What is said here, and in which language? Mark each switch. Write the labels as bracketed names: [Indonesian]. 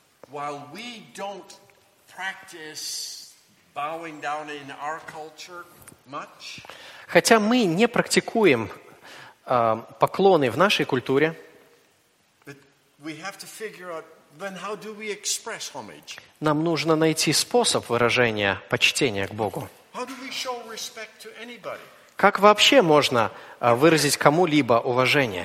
[English] While we don't practice bowing down in our culture much, [Russian] хотя мы не практикуем поклоны в нашей культуре, [English] but we have to figure out then how do we express homage? [Russian] Нам нужно найти способ выражения почтения к Богу. [English] How do we show respect to anybody? [Russian] Как вообще можно выразить кому-либо уважение?